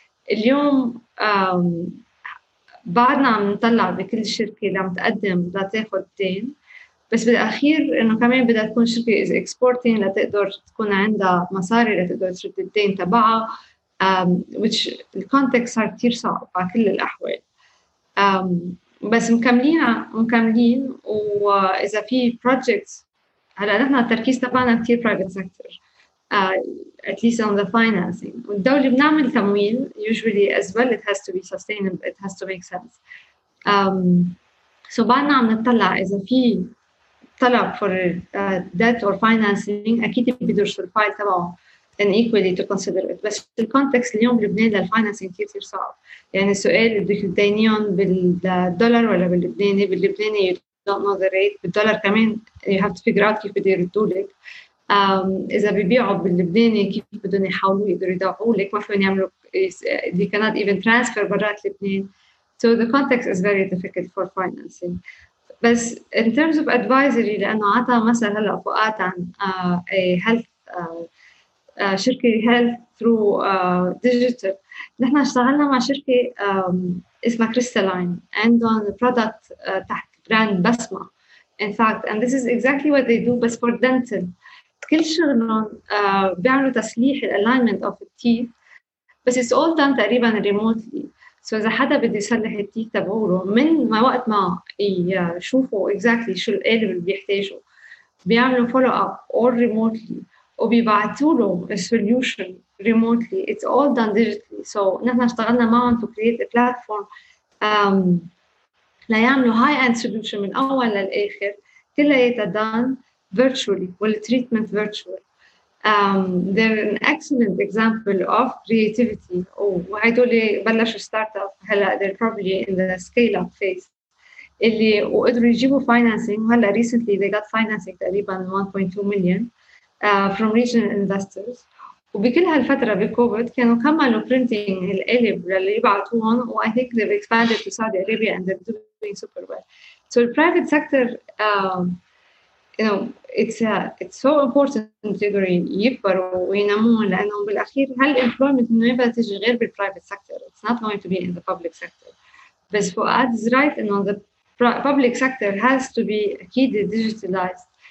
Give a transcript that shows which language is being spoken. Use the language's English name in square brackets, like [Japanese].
[Arabic] اليوم بعدنا عم نطلع بكل شركة اللي عم تقدم بدها تاخذ دين، بس بالأخير إنه كمان بدها تكون شركة [English] is exporting [Arabic] لتقدر تكون عندها مصاري لتقدر ترد الدين تبعها، [English] which the context [Arabic] صار كتير صعب على كل الأحوال. بس مكملين، وإذا في [English] projects [Arabic] هلا نحن التركيز تبعنا كتير [English] private sector at least on the financing، [Arabic] والدولة بنعمل تمويل [English] usually as well it has to be sustainable it has to make sense. [Arabic] بعدنا عم نطلع إذا في طلب [English] for debt or financing [Arabic] أكيد بيدرسوا الفايل تبعه [English] and equally to consider it. [Arabic] بس في الكونتكست اليوم لبنان للفاينانسينج كتير صعب، يعني السؤال بدك تدينيهم بالدولار ولا باللبناني، باللبناني [English] you don't know the rate، [Arabic] بالدولار كمان [English] you have to figure out [Arabic] كيف بده يردوا لك، إذا بيبيعوا باللبناني كيف بدهم يحاولوا يقدروا يدفعوا لك، ما فيهم يعملوا [English] they cannot even transfer [Arabic] برات لبنان. [English] So the context is very difficult for financing. بس in terms of advisory [Arabic] لأنه عطا مثلا هلا فؤاد عن [English] a health شركة health through digital، [Arabic] نحن اشتغلنا مع شركة اسمها [English] Crystalline عندهم product تحت brand بسمة in fact and this is exactly what they do بس for dental. [Arabic] كل شغلهم بيعملوا تصليح [English] alignment of the teeth بس it's all done تقريبا remotely. [Arabic] سو إذا حدا بدي يصلح التيك تبعوله من ما وقت ما يشوفوا exactly شو القالب اللي بيحتاجه بيعملوا [English] follow up all remotely [Arabic] وبيبعتوله [English] a solution remotely it's all done digitally. [Arabic] سو نحن اشتغلنا معهم [English] to create a platform [Arabic] ليعملوا [English] high end solution [Arabic] من أول للآخر كلها يتدان virtually والtreatment virtual. [English] They're an excellent example of creativity. Oh, I told you, [Arabic] بلشوا [English] startup. هلا they're probably in the scale up phase. [Arabic] اللي وقدروا يجيبوا financing. [English] هلا recently they got financing تقريبا 1.2 million from regional investors. [Arabic] وبكل هالفترة بكوفيد كانوا كملوا printing القلب اللي بعتوهم. [English] و I think they've expanded to Saudi Arabia and they're doing super well. So the private sector. You know, it's so important [Arabic] تقدر يكبر وينمون لأنه بالأخير هالemployment إنه يبدأ تجي غير بالprivate sector. [English] It's not going to be in the public sector. بس فؤاد is right إنه the public sector has to be [Arabic] أكيد [English] digitalized.